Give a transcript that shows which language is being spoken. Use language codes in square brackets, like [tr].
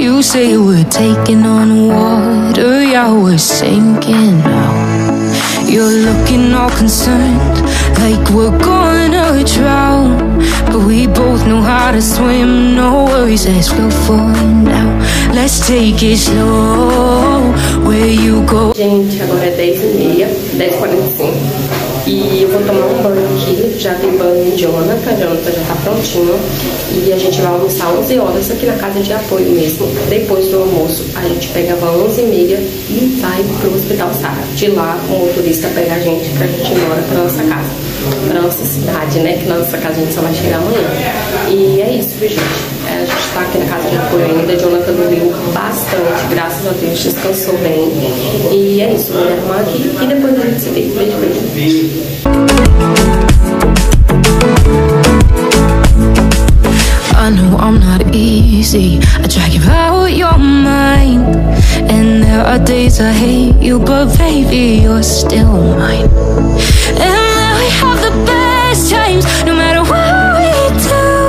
[en] You say we're taking on water, yeah, we're sinking now. You're looking all concerned, like we're gonna drown. But we both know how to swim, no worries, let's go for now. Let's take it slow, where you go. [pt] Gente, agora é 10h30, 10h45. E eu vou tomar um banho aqui, já tem banho de Jonathan, Jonathan já tá prontinho. E a gente vai almoçar 11 horas aqui na casa de apoio mesmo. Depois do almoço, a gente pega a van 11h30 e vai pro hospital Sara. De lá, o motorista pega a gente pra gente ir embora pra nossa casa, pra nossa cidade, né? Que na nossa casa a gente só vai chegar amanhã. E é isso, viu, gente? A gente tá aqui na casa de apoio ainda. Jonathan dormiu bastante, graças a Deus, descansou bem. E é isso, vou me arrumar aqui e depois a gente se vê. Beijo, beijo. [en] I know I'm not easy, I drag you out your mind. And there are days I hate you, but baby, you're still mine. And now we have the best times, no matter what we do.